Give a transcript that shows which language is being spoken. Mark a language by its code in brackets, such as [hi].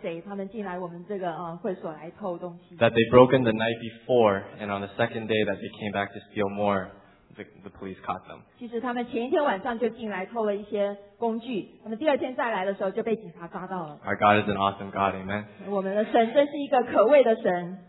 [zh] 但是我今天我就听说，上个礼拜警察抓到了两个贼，他们进来我们这个会所来偷东西。 [en] That they broke in the night before, and on the second day that they came back to steal more, the police caught them. [zh] 其实他们前一天晚上就进来偷了一些工具，他们第二天再来的时候就被警察抓到了。 [en] Our God is an awesome God, amen. [zh] 我们的神真是一个可畏的神。